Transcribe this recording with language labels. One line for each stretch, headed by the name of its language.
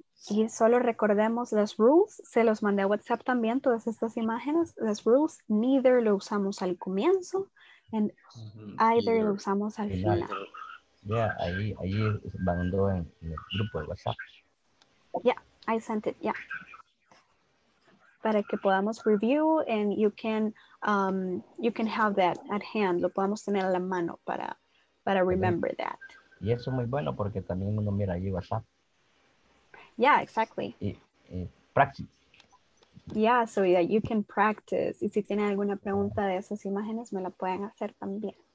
Spanish: Y solo recordemos las rules, se los mandé a WhatsApp también todas estas imágenes. Las rules, neither lo usamos al comienzo, and mm-hmm. either lo usamos al final. Yeah, ahí mandó en el grupo de WhatsApp.
English: Yeah, I sent it, yeah.
Spanish: Para que podamos
English: review and you can have that at hand.
Spanish: Lo podamos tener a la mano para
English: remember that.
Spanish: Y eso es muy bueno porque también uno mira ahí WhatsApp.
English: Yeah, exactly.
Spanish: Y practice.
English: Yeah, so that you can practice.
Spanish: Y si tienen alguna pregunta de esas imágenes, me la pueden hacer también.